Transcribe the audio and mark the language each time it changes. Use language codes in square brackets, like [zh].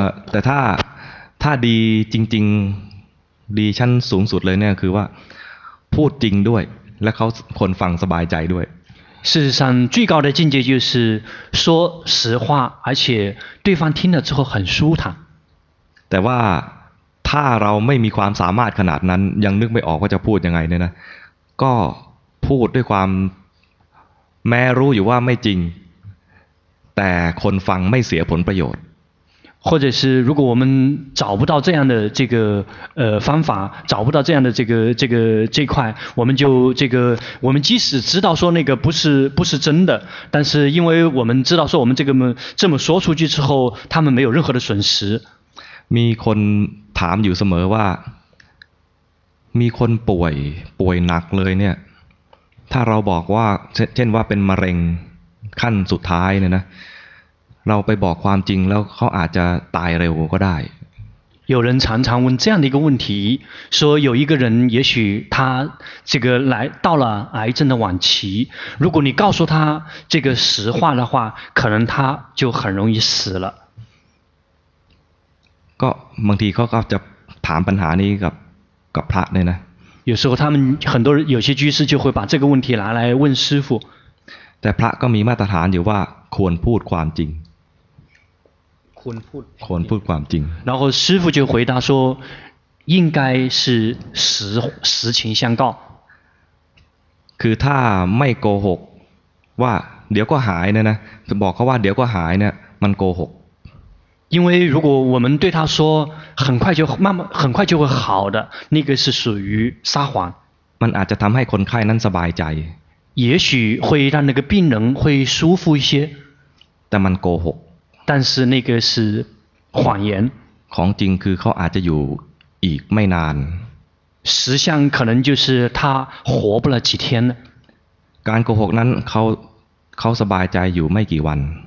[th] แต่ถ้าดีจริงๆดีชั้นสูงสุดเลยเนี่ยคือว่าพูดจริงด้วยและเขาคนฟังสบายใจด้วย [zh] 事实上最高的境界就是说实话而且对方听了之后很舒坦 [th] แต่ว่าถ้าเราไม่มีความสามารถขนาดนั้นยังนึกไม่ออกว่าจะพูดยังไงเนี่ยนะก็พูดด้วยความแม้รู้อยู่ว่าไม่จริงแต่คนฟังไม่เสียผลประโยชน์ [zh] 或者是如果我们找不到这样的这个方法找不到这样的这块我们就这个我们即使知道说那个不是真的但是因为我们知道说我们这么说出去之后他们没有任何的损失 [th] มีคนถามอยู่เสมอว่ามีคนป่วยหนักเลยเนี่ยถ้าเราบอกว่าเช่นว่าเป็นมะเร็งขั้นสุดท้ายเนี่ยนะเราไปบอกความจริงแล้วเขาอาจจะตายเร็วก็ได้ [zh] 有人常常问这样的一个问题说有一个人也许他这个来到了癌症的晚期如果你告诉他这个实话的话可能他就很容易死了 [th] ก็บางทีเขาก็จะถามปัญหานี้กับพระเนี่ยนะ [zh] 有时候他们很多有些居士就会把这个问题拿来问师父 [th] แต่พระก็มีมาตรฐานอยู่ว่าควรพูดความจริง ควรพูด ความจริง [zh] 然后师父就回答说应该是实情相告 [th] คือถ้าไม่โกหกว่าเดี๋ยวก็หายนะบอกเขาว่าเดี๋ยวก็หายเนี่ยมันโกหก [zh] 因为如果我们对他说很快就慢慢很快就会好的那个是属于撒谎 [th] มันอาจจะทำให้คนไข้นั้นสบายใจ [zh] 也许会让那个病人会舒服一些 [th] แต่มันโกหก [zh] 但是那个是谎言 [th] ของจริงคือเขาอาจจะอยู่อีกไม่นาน [zh] 实相可能就是他活不了几天 [th] การโกหกนั้นเขาสบายใจอยู่ไม่กี่วัน